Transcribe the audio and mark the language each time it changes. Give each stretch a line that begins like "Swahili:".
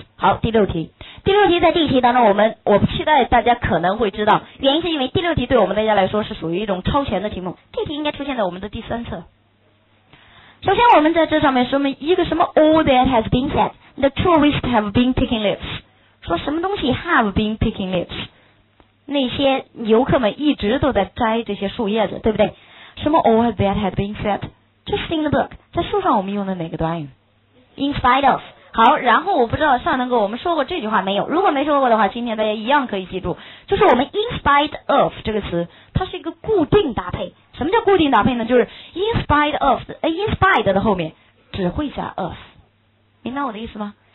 Chinese: 好，第六题在这一题当中，我们期待大家可能会知道，原因是因为第六题对我们大家来说是属于一种超前的题目，这题应该出现在我们的第三册。首先我们在这上面说明一个什么 all that has been said， the tourists have been picking leaves，说什么东西 have been picking leaves，那些游客们一直都在摘这些树叶子，对不对？什么 all that has been said， just in the book，在书上我们用的哪个短语？
English: in spite of。
Chinese: 好，然后我不知道上堂课我们说过这句话没有，如果没说过的话，今天大家一样可以记住，就是我们 in spite of 这个词它是一个固定搭配。什么叫固定搭配呢？就是 in spite of 的后面只会加 of， 明白我的意思吗？